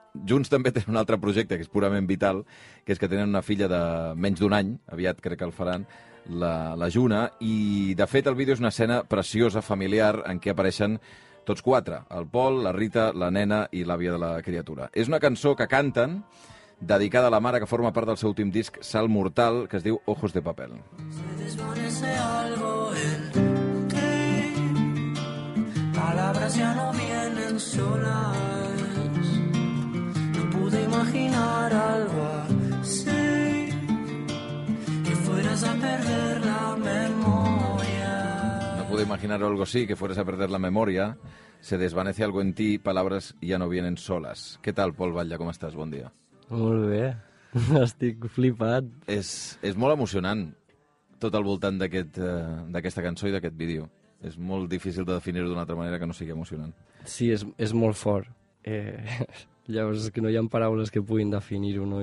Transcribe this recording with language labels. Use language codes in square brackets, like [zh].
[ca] Junts també tenen un altre projecte, que és purament vital, que és que tenen una filla de menys d'un any, aviat crec que el faran, la Juna, i de fet el vídeo és una escena preciosa, familiar, en què apareixen tots quatre, el Pol, la Rita, la nena i l'àvia de la criatura. És una cançó que canten, dedicada a la mare, que forma part del seu últim disc, Salt Mortal, que es diu Ojos de Papel. [es] Se desvanece algo en ti, palabras ya no vienen solas, no pude imaginar algo así, que fueras a perder la memoria. No pude imaginar algo así, que fueras a perder la memoria. Se desvanece algo en ti, palabras ya no vienen solas. [ca] Què tal, Pol Batlle, com estàs? Bon dia. Molt bé, estic flipat. És molt emocionant, tot al voltant d'aquesta cançó i d'aquest vídeo. És molt difícil de definir-ho d'una altra manera que no sigui emocionant. Sí, és molt fort. Llavors, és que no hi ha paraules que puguin definir-ho, no?